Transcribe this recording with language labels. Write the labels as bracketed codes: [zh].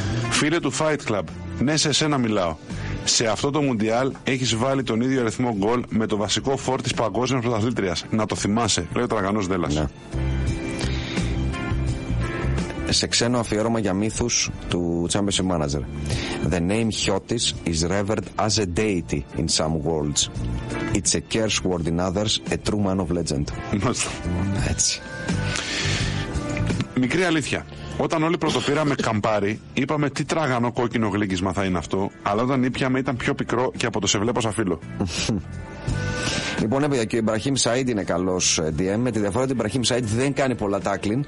[el] Φίλε του Fight Club, ναι, σε εσένα μιλάω. Σε αυτό το Μουντιάλ έχεις βάλει τον ίδιο αριθμό γκολ με το βασικό φόρ της παγκόσμιας πρωταθλήτριας. Να το θυμάσαι, λέει ο Τραγανός Δέλλας. Ναι. Σε ξένο αφιέρωμα για μύθους του Championship Manager. [en] The name Hjotis is revered as a deity in some worlds. It's a curse word in others, a true man of legend. [el] Μάλιστα. Έτσι. Μικρή αλήθεια. Όταν όλοι πρωτοπήραμε καμπάρι, είπαμε τι τράγανο κόκκινο γλύκισμα θα είναι αυτό, αλλά όταν ήπιαμε ήταν πιο πικρό και από το σε βλέπω σαν φίλο. Λοιπόν, έπαιγε και ο Ιμπραχήμ Σαΐντ είναι καλός DM, με τη διαφορά ότι ο Ιμπραχήμ Σαΐντ δεν κάνει πολλά τάκλιν,